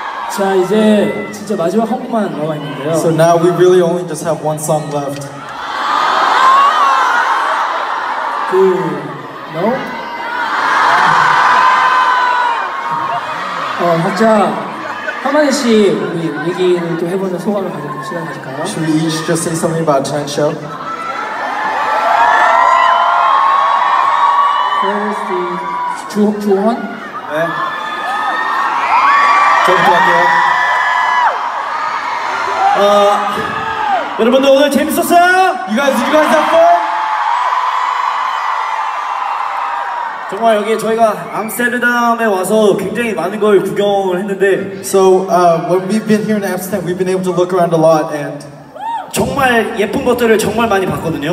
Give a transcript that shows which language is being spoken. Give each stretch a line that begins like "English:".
Korean: 자, 이제 진짜 마지막 한 곡만 남아 있는데요.
English: So now we really only just have one song left.
Korean: 그...
English: No?
Korean: 각자 한 마디씩 우리 얘기를 또 해보는 소감을 가져보는 시간 가질까요?
English: Should we each just say something about tonight's show? Where's the... 주원?
Korean: 네. 전투할게요. 여러분들 오늘 재밌었어요?
English: You guys, did you guys have fun?
Korean: 정말 여기 저희가 암스테르담에 와서 굉장히 많은 걸 구경을 했는데
English: So, when we've been here in Amsterdam, we've been able to look around a lot and
Korean: 정말 예쁜 것들을 정말 많이 봤거든요.